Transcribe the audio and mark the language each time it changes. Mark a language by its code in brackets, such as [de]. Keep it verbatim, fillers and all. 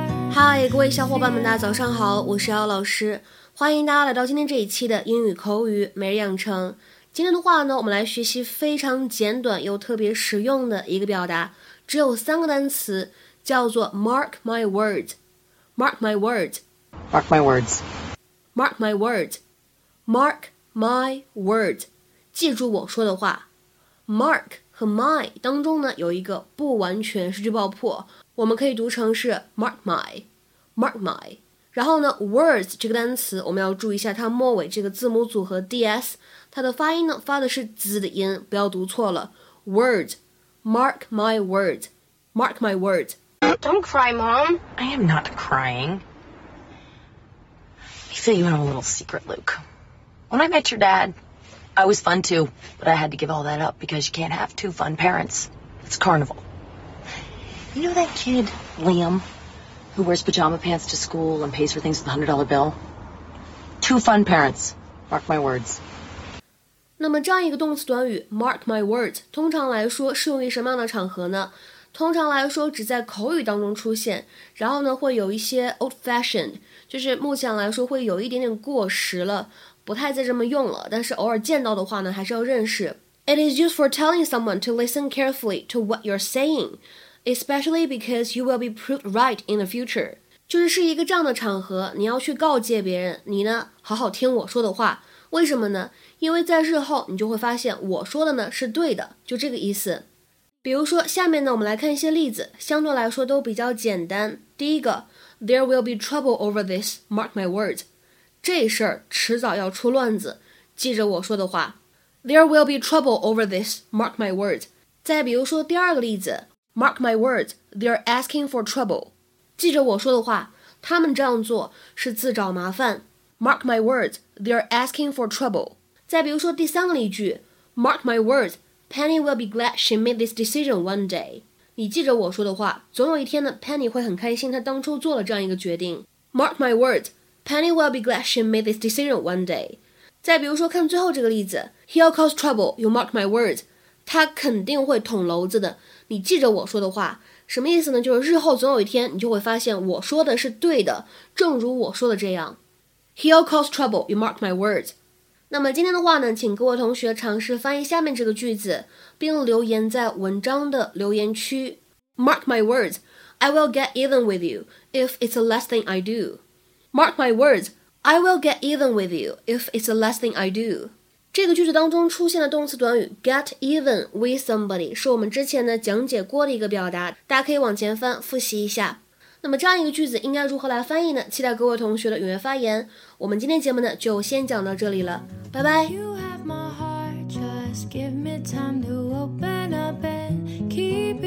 [zh] 嗨，各位小伙伴们，大家早上好，我是姚老师，欢迎大家来到今天这一期的英语口语每日养成。今天的话呢，我们来学习非常简短又特别实用的一个表达，只有三个单词，叫做 [en] mark my words, mark my words, mark my words, mark my words, mark my words， [zh] 记住我说的话。 mark 和 my 当中呢有一个不完全失去爆破，我们可以读成是 [en] mark my mark my， [zh] 然后呢 words 这个单词我们要注意一下它末尾这个字母组合 ds， 它的发音呢发的是滋的音，不要读错了。 [en] words mark my words mark my words。 Don't cry, Mom. I am not crying. I feel you in a little secret, Luke. When I met your dad, I was fun too, but I had to give all that up because you can't have two fun parents. It's carnival. You know that kid, Liam, who wears pajama pants to school and pays for things with a one hundred dollar bill? Two fun parents. Mark my words. [zh] 那么这样一个动词短语 mark my words 通常来说适用于什么样的场合呢？通常来说只在口语当中出现，然后呢会有一些 old fashioned， 就是目前来说会有一点点过时了，不太再这么用了，但是偶尔见到的话呢还是要认识。 [en] It is used for telling someone to listen carefully to what you're saying. Especially because you will be proved right in the future. [zh] 就是是一个这样的场合，你要去告诫别人，你呢好好听我说的话。为什么呢？因为在日后你就会发现我说的呢是对的，就这个意思。比如说下面呢我们来看一些例子，相对来说都比较简单。第一个 [en] There will be trouble over this, mark my words. [zh] 这事儿迟早要出乱子，记着我说的话。 [en] There will be trouble over this, mark my words. [zh] 再比如说第二个例子 [en] Mark my words, they're asking for trouble. [zh] 记着我说的话，他们这样做是自找麻烦。 [en] Mark my words, they're asking for trouble. [zh] 再比如说第三个例句 [en] Mark my words, Penny will be glad she made this decision one day. [zh] 你记着我说的话，总有一天呢 Penny 会很开心她当初做了这样一个决定。 [en] Mark my words, Penny will be glad she made this decision one day. [zh] 再比如说看最后这个例子 [en] He'll cause trouble, you mark my words. [zh] 他肯定会捅娄子的，你记着我说的话。什么意思呢？就是日后总有一天你就会发现我说的是对的，正如我说的这样。 [en] He'll cause trouble, you mark my words. [zh] 那么今天的话呢，请各位同学尝试翻译下面这个句子，并留言在文章的留言区。 [en] Mark my words, I will get even with you if it's the last thing I do. Mark my words, I will get even with you if it's the last thing I do. [zh] 这个句子当中出现的动词短语 get even with somebody 是我们之前呢讲解过的一个表达，大家可以往前翻复习一下。那么这样一个句子应该如何来翻译呢？期待各位同学的踊跃发言。我们今天节目呢就先讲到这里了，拜拜。